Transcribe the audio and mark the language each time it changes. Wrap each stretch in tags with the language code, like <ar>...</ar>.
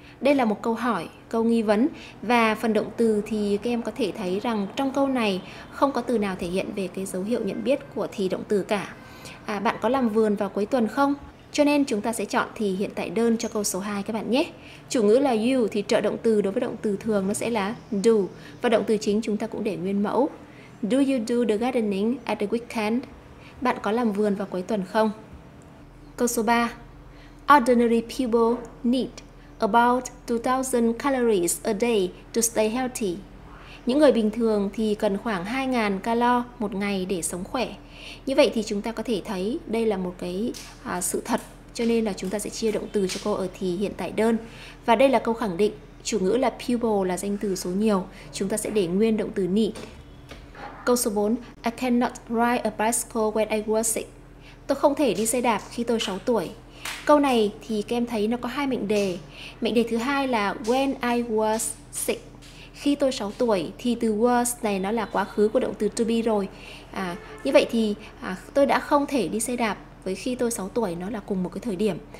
<vi>Đây là một câu hỏi, câu nghi vấn. Và phần động từ thì các em có thể thấy rằng trong câu này không có từ nào thể hiện về cái dấu hiệu nhận biết của thì động từ cả. Bạn có làm vườn vào cuối tuần không? Cho nên chúng ta sẽ chọn thì hiện tại đơn cho câu số 2 các bạn nhé. Chủ ngữ là you thì trợ động từ đối với động từ thường nó sẽ là do. Và động từ chính chúng ta cũng để nguyên mẫu.</vi> <en>Do you do the gardening at the weekend?</en> <vi>Bạn có làm vườn vào cuối tuần không? Câu số 3.</vi> <en>Ordinary people need. about 2,000 calories a day to stay healthy.</en> <vi>Những người bình thường thì cần khoảng 2,000 calo một ngày để sống khỏe. Như vậy thì chúng ta có thể thấy đây là một cái sự thật, cho nên là chúng ta sẽ chia động từ cho câu ở thì hiện tại đơn. Và đây là câu khẳng định, chủ ngữ là pupil là danh từ số nhiều, chúng ta sẽ để nguyên động từ need. Câu số 4,</vi> <en>I cannot ride a bicycle when I was 6.</en> <vi>Tôi không thể đi xe đạp khi tôi 6 tuổi. Câu này thì các em thấy nó có hai mệnh đề. Mệnh đề thứ hai là</vi> <en>when I was 6.</en> <vi>Khi tôi 6 tuổi thì từ was này nó là quá khứ của động từ to be rồi. Như vậy thì tôi đã không thể đi xe đạp với khi tôi 6 tuổi, nó là cùng một cái thời điểm.</vi>